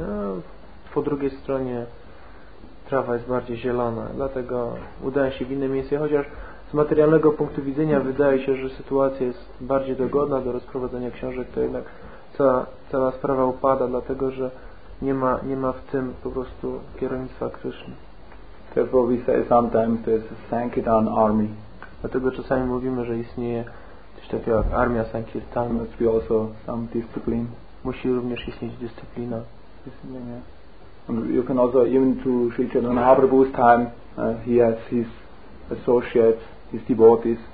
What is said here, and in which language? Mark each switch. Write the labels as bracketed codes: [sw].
[pl] No, po drugiej stronie trawa jest bardziej zielona, dlatego udaję się w inne miejsce, chociaż z materialnego punktu widzenia wydaje się, że sytuacja jest bardziej dogodna do rozprowadzenia książek, to jednak cała sprawa upada, dlatego że nie ma w tym po prostu kierownictwa Krishna. [en] Therefore we say sometimes there's a Sankirtan army. [pl] Dlatego czasami mówimy, że istnieje coś takiego jak armia Sankirtan. [en] Must be also some discipline. [pl] Musi również istnieć dyscyplina. [en] And you can also, even to Sri Chaitanya Mahaprabhu's time, he has his associates, his devotees.